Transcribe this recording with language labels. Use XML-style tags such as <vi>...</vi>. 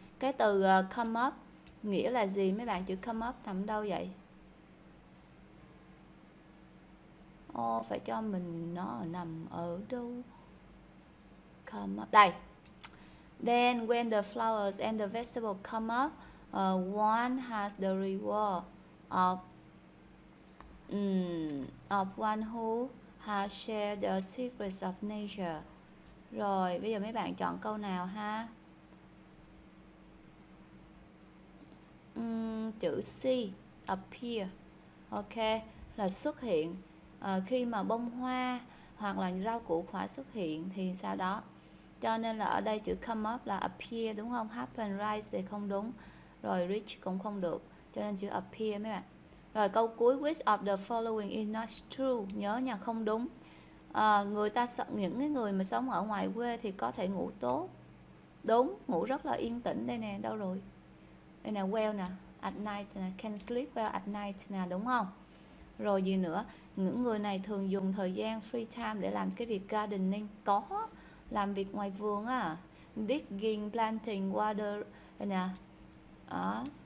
<vi>Cái từ come up nghĩa là gì mấy bạn? Chữ come up nằm đâu vậy? Ồ, phải cho mình nó nằm ở đâu?</vi> <en>Come up. Đây. Then when the flowers and the vegetables come up, one has the reward of one who has shared the secrets of nature.</en> <vi>Rồi, bây giờ mấy bạn chọn câu nào ha? Chữ C, appear. Ok, là xuất hiện. Khi mà bông hoa hoặc là rau củ quả xuất hiện thì sao đó. Cho nên là ở đây chữ come up là appear đúng không? Happen, rise thì không đúng. Rồi reach cũng không được. Cho nên chữ appear mấy bạn. Rồi câu cuối,</vi> <en>which of the following is not true?</en> <vi>Nhớ nha, không đúng. Người ta sợ những cái người mà sống ở ngoài quê thì có thể ngủ tốt. Đúng, ngủ rất là yên tĩnh đây nè, đâu rồi? Đây nè, well nè, at night nè,</vi> <en>can sleep well at night</en> <vi>nè, đúng không? Rồi gì nữa? Những người này thường dùng thời gian free time để làm cái việc gardening, có làm việc ngoài vườn à, digging, planting, water đây nè. Đó.</vi>